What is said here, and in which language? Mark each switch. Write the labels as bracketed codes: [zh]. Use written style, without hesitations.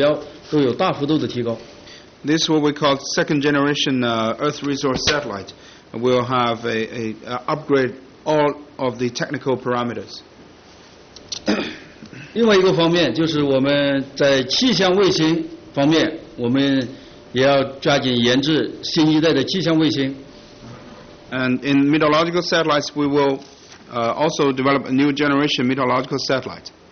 [zh] 这个资源卫星，我们将来是我们和巴西联合研制的第二代资源卫星，它的技术指标都有大幅度的提高。 [en] This what we call second generation Earth resource satellite will have a upgrade all of the technical parameters. [zh] 另外一个方面就是我们在气象卫星方面，我们也要抓紧研制新一代的气象卫星。 [en] And in meteorological satellites, we will also develop a new generation meteorological satellite.